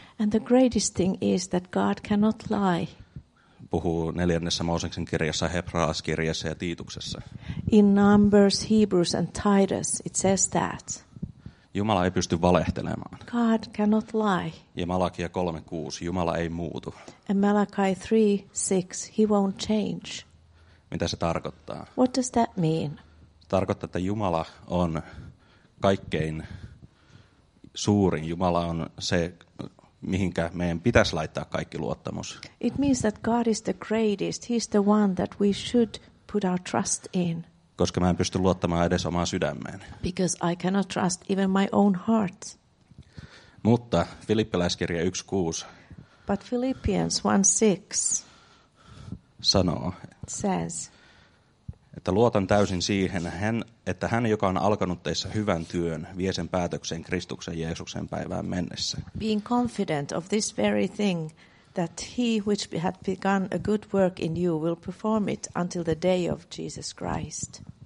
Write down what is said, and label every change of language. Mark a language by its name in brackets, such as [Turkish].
[English] And the greatest thing is that God cannot lie. [Finnish] Puhuu 4. Mooseksen kirjassa, Hebraaskirjassa ja Tiituksessa. [English] In Numbers, Hebrews and Titus it says that. [Finnish] Jumala ei pysty valehtelemaan. [English] God cannot lie. [Finnish] Ja Malakia 3:6, Jumala ei muutu. [English] And Malachi 3:6, he won't change. [Finnish] Mitä se tarkoittaa? [English] What does that mean? [Finnish] Tarkoittaa, että Jumala on kaikkein suurin. Jumala on se, mihinkä meidän pitäisi laittaa kaikki luottamus. [English] It means that God is the greatest. He's the one that we should put our trust in. [Finnish] Koska mä en pysty luottamaan edes omaan sydämeen. [English] Because I cannot trust even my own heart. [Finnish] Mutta Filippiläiskirja 1:6. [English] But Philippians 1:6. [Finnish] Sanoo. [English] Says. [Finnish] Että luotan täysin siihen, että hän, joka on alkanut teissä hyvän työn, vie sen päätökseen Kristuksen Jeesuksen päivään mennessä. [English] Being confident of this very thing, that he which had begun a good work in you will perform it until the day of Jesus Christ.